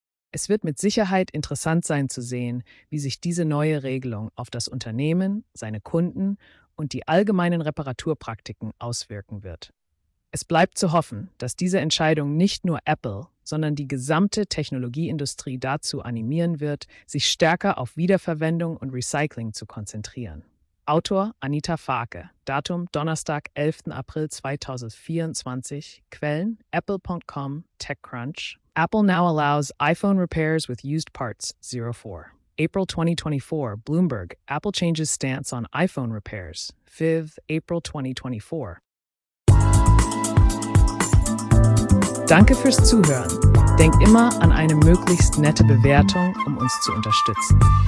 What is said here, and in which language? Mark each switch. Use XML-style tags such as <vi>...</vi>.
<de>Es wird mit Sicherheit interessant sein zu sehen, wie sich diese neue Regelung auf das Unternehmen, seine Kunden und die allgemeinen Reparaturpraktiken auswirken wird. Es bleibt zu hoffen, dass diese Entscheidung nicht nur Apple, sondern die gesamte Technologieindustrie dazu animieren wird, sich stärker auf Wiederverwendung und Recycling zu konzentrieren. Autor Anita Farke, Datum Donnerstag, 11. April 2024, Quellen apple.com, TechCrunch.</de> <en>Apple now allows iPhone repairs with used parts, 04. April 2024, Bloomberg, Apple changes stance on iPhone repairs, 5th April 2024.</en> <de>Danke fürs Zuhören. Denk immer an eine möglichst nette Bewertung, um uns zu unterstützen.</de>